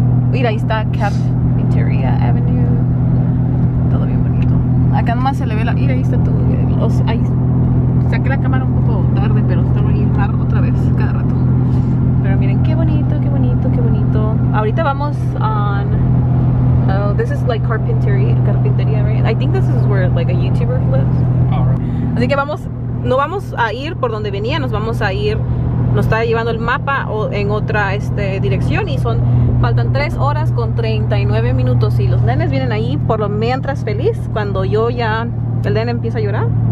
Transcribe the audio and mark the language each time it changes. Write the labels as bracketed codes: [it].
[es] Mira, ahí está Cafeteria Avenue. Todo bien bonito. Acá nomás se le ve la. Mira, ahí está todo. Ahí saqué la cámara un poco tarde, pero está muy raro otra vez cada rato. Pero miren qué bonito, qué bonito, qué bonito. Ahorita vamos on. [en] Oh, this is like carpintería, right? I think this is where like a YouTuber lives. Oh. [es] Así que vamos, no vamos a ir por donde venía, nos vamos a ir. Nos está llevando el mapa en otra dirección y faltan 3 horas con 39 minutos y los nenes vienen ahí por lo mientras feliz cuando yo ya el nene empieza a llorar.